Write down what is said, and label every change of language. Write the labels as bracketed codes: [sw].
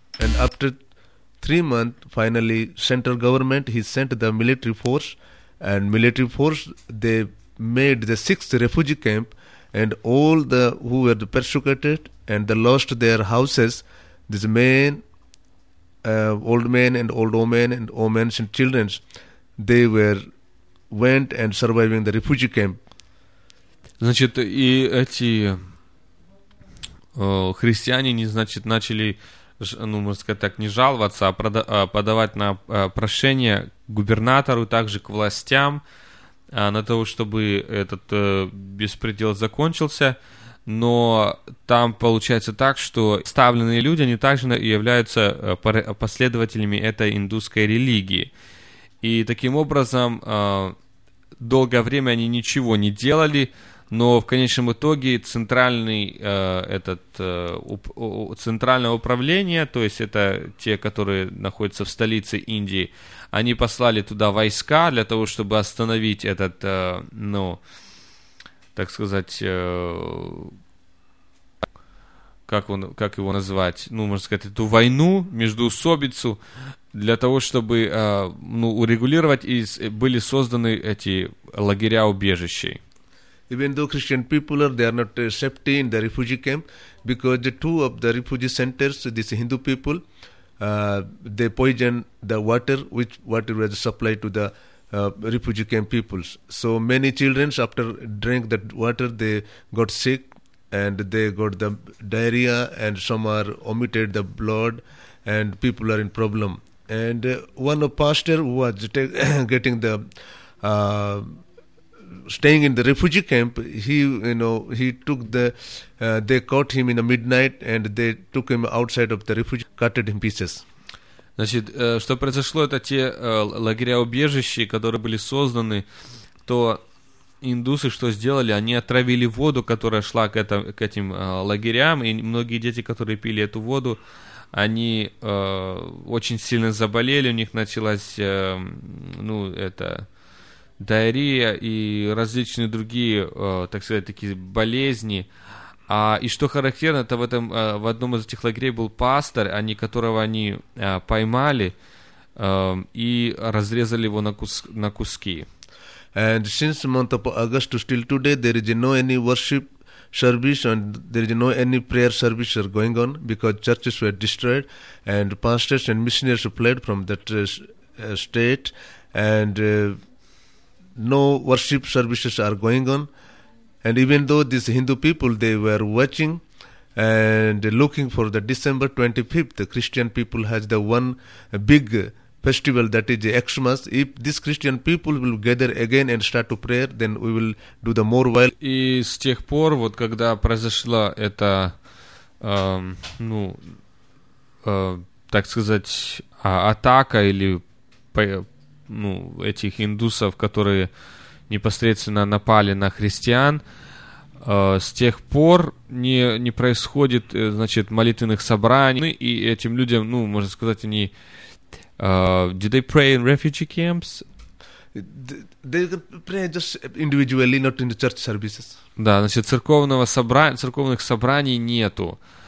[en] And after 3 months, finally central government, he sent the military force, and military force, they made the 6th refugee camp, and all the who were persecuted and they lost their houses, these men, old men and old women and women and children, they were went and surviving the refugee camp. [ru] Значит, и эти христиане, значит, начали, ну, можно сказать так, не жаловаться, а подавать на прошение губернатору, также к властям, на то, чтобы этот беспредел закончился. Но там получается так, что ставленные люди, они также являются последователями этой индусской религии. И таким образом, долгое время они ничего не делали, но в конечном итоге центральное управление, то есть это те, которые находятся в столице Индии, они послали туда войска для того, чтобы остановить этот, ну, так сказать, как его назвать, ну, можно сказать, эту войну между усобицу, для того, чтобы урегулировать, и были созданы эти лагеря убежищей. [en] Even though Christian people are, they are not safety in the refugee camp, because the two of the refugee centers, these Hindu people, they poison the water, which water was supplied to the refugee camp peoples. So many children, after drink that water, they got sick, and they got the diarrhea, and some are omitted the blood, and people are in problem. And one of pastor who was getting the staying in the refugee camp, they caught him in the midnight and they took him outside of the refugee, cut it in pieces. [ru] Значит, что произошло, это те лагеря-убежища, которые были созданы, то индусы что сделали? Они отравили воду, которая шла к этим лагерям, и многие дети, которые пили эту воду, они очень сильно заболели, у них началась, диарея и различные другие, так сказать, такие болезни. И что характерно, это в одном из этих лагерей был пастор, которого они поймали и разрезали его на куски. [en] And since the month of August to still today, there is no any worship service and there is no any prayer service are going on because churches were destroyed and pastors and missionaries fled from that state and no worship services are going on. And even though these Hindu people, they were watching and looking for the December 25th, Christian people has the one big festival, that is Xmas. If these Christian people will gather again and start to prayer, then we will do the more well. [ru] И с тех пор, вот когда произошла эта, ну, так сказать, атака или, ну, этих индусов, которые непосредственно напали на христиан, с тех пор не происходит, значит, молитвенных собраний, и этим людям, ну, можно сказать, они... [en] do they pray in refugee camps? They pray just individually, not in the church services. [ru] Да, значит, церковных собраний нету.